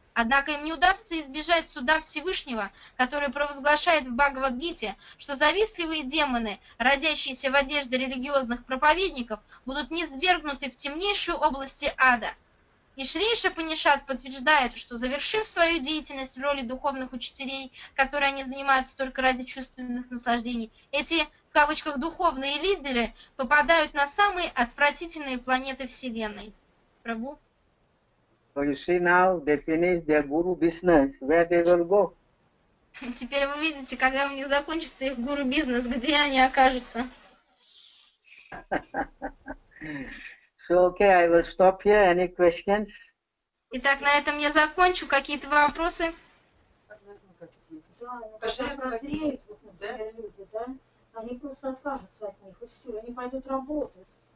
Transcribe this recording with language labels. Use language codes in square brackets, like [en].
[ru] Однако им не удастся избежать суда Всевышнего, который провозглашает в Бхагавад-гите, что завистливые демоны, родящиеся в одежде религиозных проповедников, будут низвергнуты в темнейшую область ада. И Шриша Панишат подтверждает, что завершив свою деятельность в роли духовных учителей, которые они занимаются только ради чувственных наслаждений, эти, в кавычках, духовные лидеры попадают на самые отвратительные планеты Вселенной. Прабу. [en] So you see now they finish their guru business, where they will go? [ru] Теперь вы видите, когда у них закончится их гуру бизнес, где они окажутся? [en] So okay, I will stop here. Any questions? [ru] Итак, на этом я закончу. Какие-то вопросы? Да, они просто откажутся от них и все, они пойдут работать.